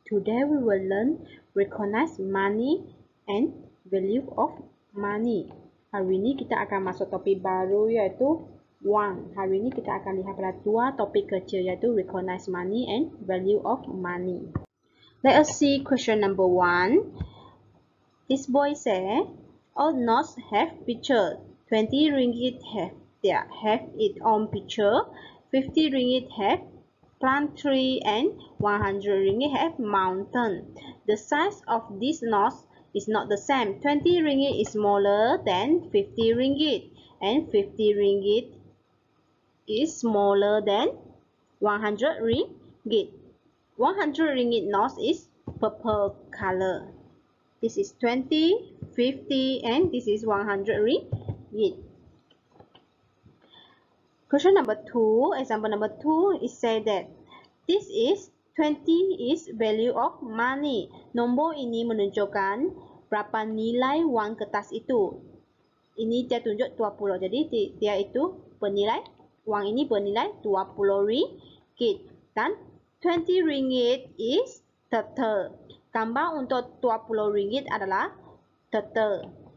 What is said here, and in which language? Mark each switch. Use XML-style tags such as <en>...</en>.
<en>Today we will learn recognize money and value of money.</en> <ms>Hari ini kita akan masuk topik baru yaitu wang. Hari ini kita akan lihat pada dua topik kecil yaitu</ms> <en>recognize money and value of money. Let us see question number one. This boy say, all notes have picture. 20 ringgit have its own picture. 50 ringgit have plant tree and 100 ringgit have mountain. The size of this notes is not the same. 20 ringgit is smaller than 50 ringgit and 50 ringgit is smaller than 100 ringgit. 100 ringgit notes is purple color. This is 20, 50 and this is 100 ringgit. Question number 2, example number 2, it said that this is 20 is value of money.</en> <ms>Nombor ini menunjukkan berapa nilai wang kertas itu. Ini dia tunjuk 20. Jadi dia itu bernilai, wang ini bernilai 20 ringgit.</ms> <en>Dan 20 ringgit is turtle.</en> <ms>Gambar untuk 20 ringgit adalah turtle.</ms>